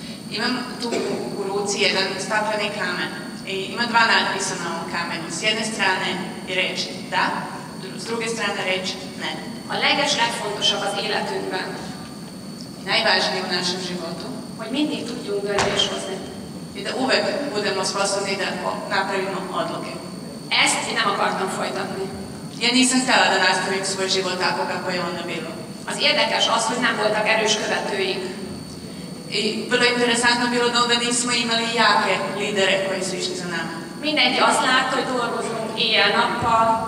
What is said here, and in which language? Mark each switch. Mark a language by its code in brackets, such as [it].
[sr] Imam tu u ruci jedan stakleni kamen. I ima dva natpisa na ovom kamenu. S jedne strane je reč da, s druge strane reč ne. [hu] A legeslegfontosabb az életünkben. [sr] I najvažnije u našem životu. [hu] Hogy mindig tudjunk döntés hozni. [sr] I da uvek budemo sposobni da napravimo odluke. [hu] Ezt én nem akartam folytatni. [sr] Ja nisam htjela da nastavim svoj život tako kako je onda bilo. [hu] Az érdekes az, hogy nem voltak erős követőink. [sr] I vrlo interesantno bilo da onda nismo imali jake lidere koji su išli za nama. [hu] Mindenki azt látta, hogy dolgozunk éjjel-nappal.